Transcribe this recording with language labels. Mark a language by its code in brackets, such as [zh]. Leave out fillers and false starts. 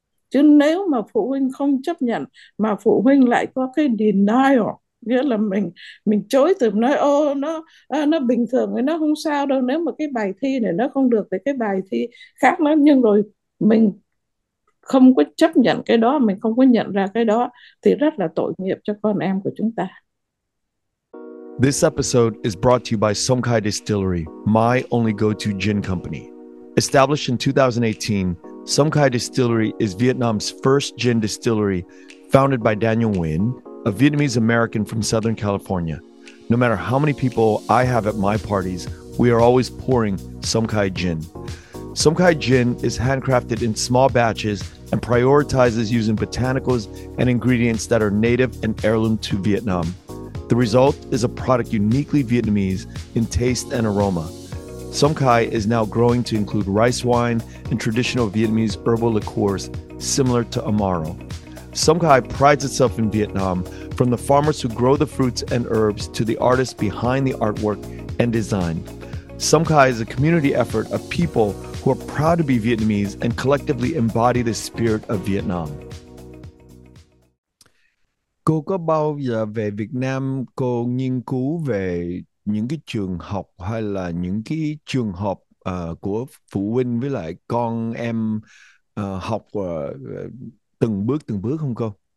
[vi] Chứ nếu mà phụ huynh không chấp nhận mà phụ huynh lại có cái denial, nghĩa là mình chối từ, nói ô nó bình thường, nó không sao đâu, nếu mà cái bài thi này nó không được thì cái bài thi khác nó, nhưng rồi mình không có chấp nhận cái đó, mình không có nhận ra cái đó thì rất là tội nghiệp cho con em của chúng ta. [en] This episode is brought to you by Songkhai Distillery, my only go-to gin company. Established in 2018, Songkhai Distillery is Vietnam's first gin distillery, founded by Daniel Nguyen, a Vietnamese American from Southern California. No matter how many people I have at my parties, we are always pouring Songkhai gin. Songkhai gin is handcrafted in small batches and prioritizes using botanicals and ingredients that are native and heirloom to Vietnam. The result is a product uniquely Vietnamese in taste and aroma. Songkhai is now growing to include rice wine and traditional Vietnamese herbal liqueurs similar to Amaro. Songkhai prides itself in Vietnam, from the farmers who grow the fruits and herbs to the artists behind the artwork and design. Songkhai is a community effort of people who are proud to be Vietnamese and collectively embody the spirit of Vietnam. [vi] Cô có bao giờ về Việt Nam cô nghiên cứu về những cái trường học hay là những cái trường hợp của phụ huynh với lại con em học từng bước không cô?